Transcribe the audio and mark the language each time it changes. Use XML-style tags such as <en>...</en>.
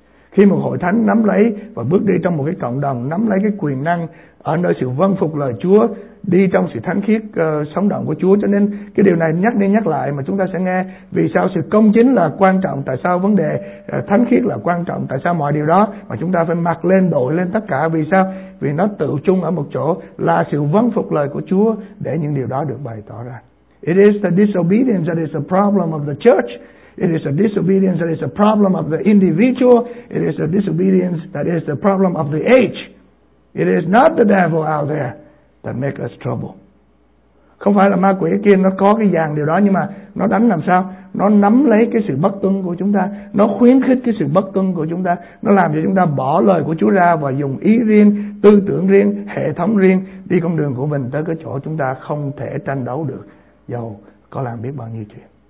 <vi>Khi một hội thánh nắm lấy và bước đi trong một cái cộng đồng, nắm lấy cái quyền năng ở nơi sự vâng phục lời Chúa, đi trong sự thánh khiết sống động của Chúa. Cho nên cái điều này nhắc đi nhắc lại mà chúng ta sẽ nghe, vì sao sự công chính là quan trọng, tại sao vấn đề thánh khiết là quan trọng, tại sao mọi điều đó mà chúng ta phải mặc lên, đội lên tất cả. Vì sao? Vì nó tự chung ở một chỗ là sự vâng phục lời của Chúa để những điều đó được bày tỏ ra.</vi> <en>It is the disobedience that is the problem of the church. It is a disobedience that is a problem of the individual. It is a disobedience that is the problem of the age. It is not the devil out there that makes us trouble.</en> <vi>Không phải là ma quỷ kia, nó có cái dàn điều đó, nhưng mà nó đánh làm sao? Nó nắm lấy cái sự bất tuân của chúng ta, nó khuyến khích cái sự bất tuân của chúng ta, nó làm cho chúng ta bỏ lời của Chúa ra và dùng ý riêng, tư tưởng riêng, hệ thống riêng, đi con đường của mình tới cái chỗ chúng ta không thể tranh đấu được, dầu có làm biết bao nhiêu chuyện.</vi>